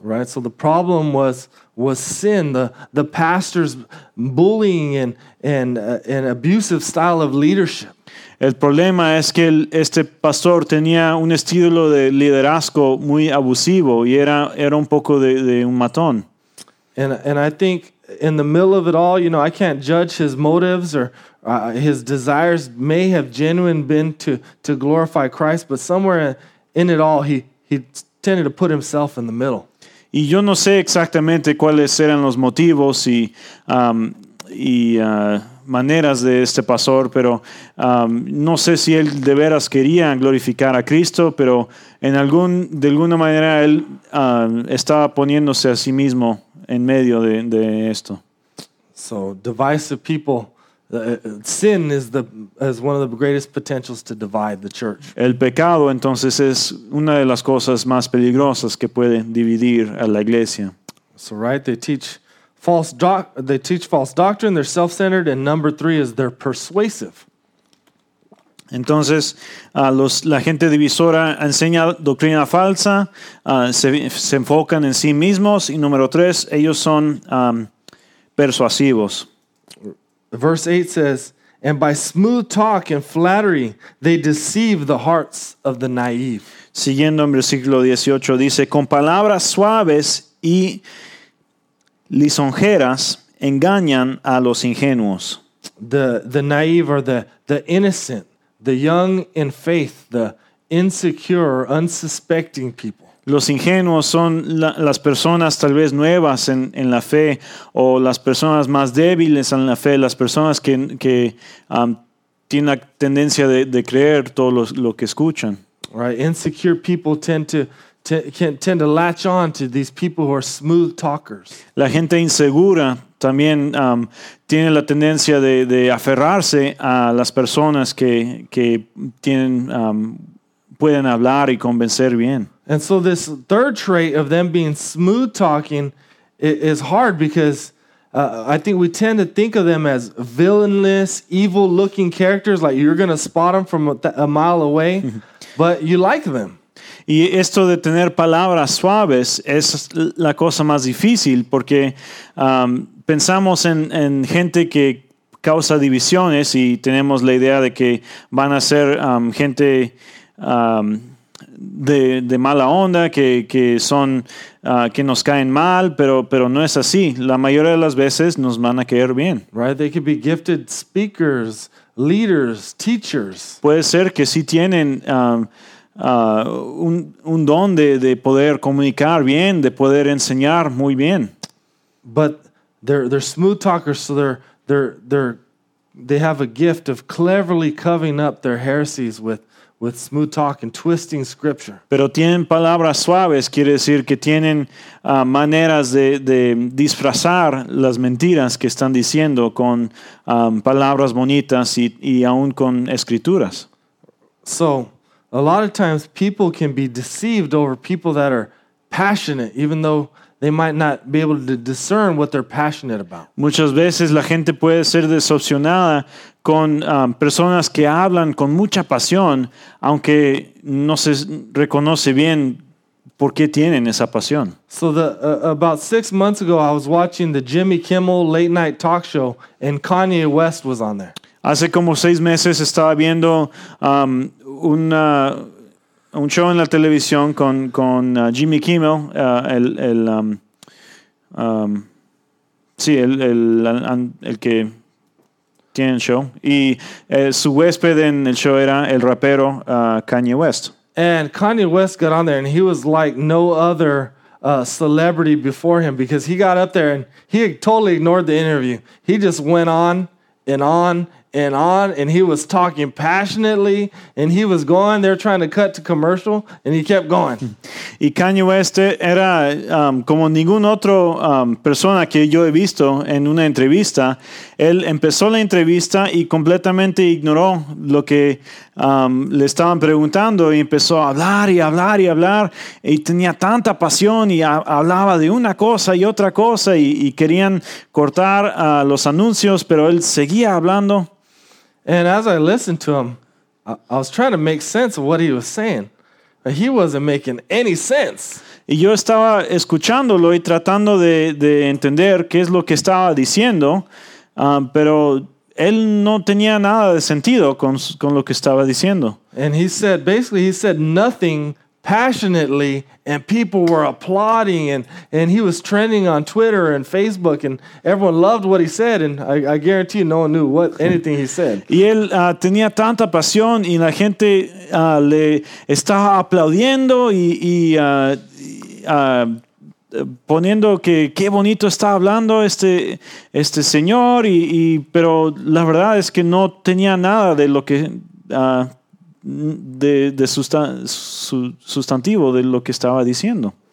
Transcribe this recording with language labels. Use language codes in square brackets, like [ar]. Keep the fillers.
[es] El problema es que el, este pastor tenía un estilo de liderazgo muy abusivo y era, era un poco de, de un matón. [en] And, and I think in the middle of it all, you know, I can't judge his motives or uh, his desires may have genuine been to, to glorify Christ, but somewhere in, in it all, he, he tended to put himself in the middle. [es] Y yo no sé exactamente cuáles eran los motivos y, um, y uh, maneras de este pastor, pero um, no sé si él de veras quería glorificar a Cristo, pero en algún, de alguna manera él uh, estaba poniéndose a sí mismo De, de [en] so divisive people. Uh, sin is the is one of the greatest potentials to divide the church. [es] El pecado entonces es una de las cosas más peligrosas que puede dividir a la iglesia. [en] So right, they teach false doc, they teach false doctrine. They're self-centered, and number three is they're persuasive. [es] Entonces, uh, los, la gente divisora enseña doctrina falsa, uh, se, se, enfocan en sí mismos y número tres, ellos son um, persuasivos. [en] Verse 8 says, And by smooth talk and flattery, they deceive the hearts of the naive. [es] Siguiendo en versículo 18, dice, Con palabras suaves y lisonjeras engañan a los ingenuos. [en] The, the naive or the, the innocent. The young in faith, the insecure, unsuspecting people. [es] Los ingenuos son la, las personas tal vez nuevas en, en, la fe o las personas más débiles en la fe, las personas que, que um, tienen la tendencia de, de, creer todo lo, lo que escuchan. [en] Right. Insecure people tend to T- tend to latch on to these people who are smooth talkers. [es] La gente insegura también um, tiene la tendencia de, de, aferrarse a las personas que, que tienen, um, pueden hablar y convencer bien. [en] And so this third trait of them being smooth talking is hard because uh, I think we tend to think of them as villainous, evil-looking characters, like you're going to spot them from a, th- a mile away, but you like them. [es] Y esto de tener palabras suaves es la cosa más difícil porque um, pensamos en, en, gente que causa divisiones y tenemos la idea de que van a ser um, gente um, de, de, mala onda, que, que son, uh, que nos caen mal, pero, pero no es así. La mayoría de las veces nos van a caer bien. [en] Right. They can be gifted speakers, leaders, teachers. [es] Puede ser que sí tienen... Uh, un, un don de, de poder comunicar bien, de poder enseñar muy bien. [en] But they're, they're smooth talkers, so they're, they're, they're, they have a gift of cleverly covering up their heresies with, with smooth talk and twisting scripture. [es] Pero tienen palabras suaves, quiere decir que tienen uh, maneras de, de disfrazar las mentiras que están diciendo con um, palabras bonitas y, y aún con escrituras. [en] So, a lot of times people can be deceived over people that are passionate even though they might not be able to discern what they're passionate about. [es] Muchas veces la gente puede ser decepcionada con um, personas que hablan con mucha pasión aunque no se reconoce bien por qué tienen esa pasión. [en] So the, uh, about 6 months ago I was watching the Jimmy Kimmel late night talk show and Kanye West was on there. [es] Hace como seis meses estaba viendo um, Una, un, show en la televisión con, con, Jimmy Kimmel, uh, el, el, um, um, sí, el, el, el, que tiene el show. Y uh, eh, su huésped en el show era el rapero, uh, Kanye West. [en] And Kanye West got on there and he was like no other uh, celebrity before him because he got up there and he totally ignored the interview. He just went on and on Trying to cut to commercial, and he kept going. [es] y Caño West era um, como ninguna otra um, persona que yo he visto en una entrevista él empezó la entrevista y completamente ignoró lo que um, le estaban preguntando y empezó a hablar y hablar y hablar y tenía tanta pasión y hablaba de una cosa y otra cosa y, y querían cortar uh, los anuncios pero él seguía hablando [en] And as I listened to him, I was trying to make sense of what he was saying. He wasn't making any sense. [es] Y yo estaba escuchándolo y tratando de, de entender qué es lo que estaba diciendo, um, pero él no tenía nada de sentido con, con lo que estaba diciendo. [en] And he said, basically, he said nothing passionately and people were applauding and, and he was trending on twitter and facebook and everyone loved what he said and i, I guarantee you no one knew what anything he said [es] y él uh, tenía tanta pasión y la gente uh, le estaba aplaudiendo y, y, uh, y poniendo que qué bonito está hablando este, este señor y, y, pero la verdad es que no tenía nada de lo que de, de sustan- su sustantivo de lo que estaba diciendo.